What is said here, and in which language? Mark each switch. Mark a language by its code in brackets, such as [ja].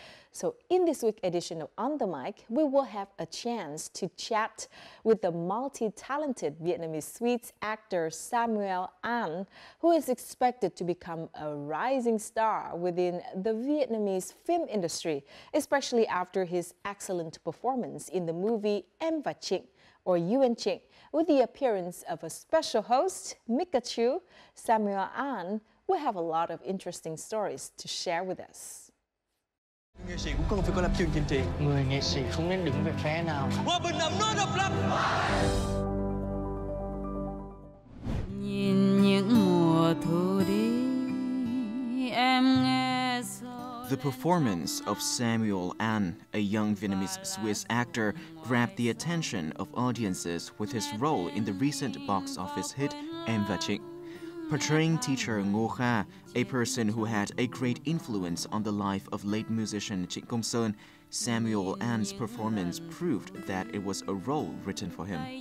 [en] So in this week's edition of On the Mic, we will have a chance to chat with the multi-talented Vietnamese Swedes actor Samuel An, who is expected to become a rising star within the Vietnamese film industry, especially after his excellent performance in the movie Em Và Chinh, or You and Chinh, with the appearance of a special host, Mika Chu. Samuel An will have a lot of interesting stories to share with us. [vi] Nghệ sĩ cũng không phải có lập trường chính trị. Người nghệ sĩ không nên đứng về phe nào. Hòa bình làm nước độc lập. Nhìn những mùa thu đi, em nghe gió. [en] The performance of Samuel An, a young Vietnamese-Swiss actor, grabbed the attention of audiences with his role in the recent box office hit Em Và Chinh. Portraying teacher Ngô Kha, a person who had a great influence on the life of late musician Trịnh Công Sơn, Samuel An's performance proved that it was a role written for him.